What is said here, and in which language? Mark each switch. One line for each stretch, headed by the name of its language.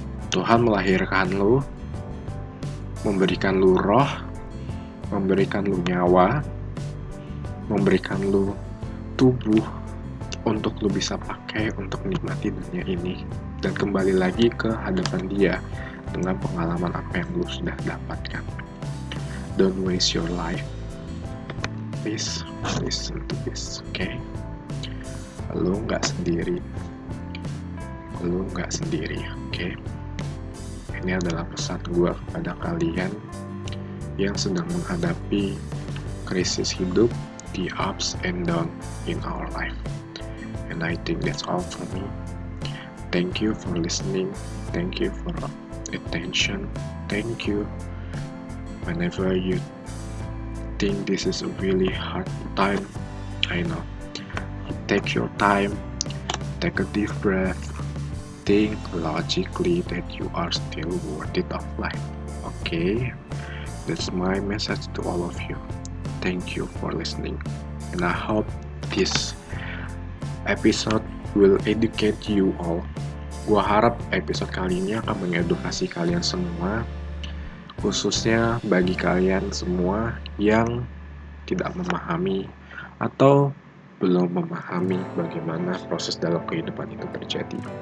Indonesian: Tuhan melahirkan lu, memberikan lu roh, memberikan lu nyawa, memberikan lu tubuh untuk lu bisa pakai untuk menikmati dunia ini dan kembali lagi ke hadapan dia dengan pengalaman apa yang lu sudah dapatkan.
English: Don't waste your life. Please listen to this, okay?
Indonesian: Lu gak sendiri. Lu gak sendiri, okay? Ini adalah pesan gua kepada kalian yang sedang menghadapi krisis hidup,
English: the ups and down in our life. And I think that's all for me. Thank you for listening. Thank you for attention. Thank you. Whenever you think this is a really hard time, I know. Take your time. Take a deep breath. Think logically that you are still worth it of life. Okay? That's my message to all of you. Thank you for listening. And I hope this episode will educate you all.
Indonesian: Gua harap episode kali ini akan mengedukasi kalian semua, khususnya bagi kalian semua yang tidak memahami atau belum memahami bagaimana proses dalam kehidupan itu terjadi.